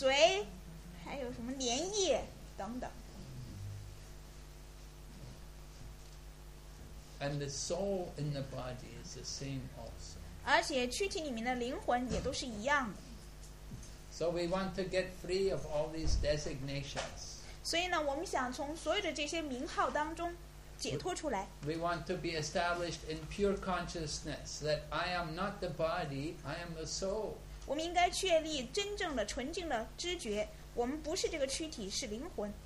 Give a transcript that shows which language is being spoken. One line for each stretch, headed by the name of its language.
Chinese: 物质躯体是一样的，血肉，骨髓，还有什么粘液等等。
English: And the soul in the body is the same also.
Chinese: 而且躯体里面的灵魂也都是一样的。
English: So we want to get free of all these designations.
Chinese: 所以呢，我们想从所有的这些名号当中解脱出来。
English: We want to be established in pure consciousness that I am not the body, I am the soul.
Chinese: 我们应该确立真正的纯净的知觉，我们不是这个躯体，是灵魂。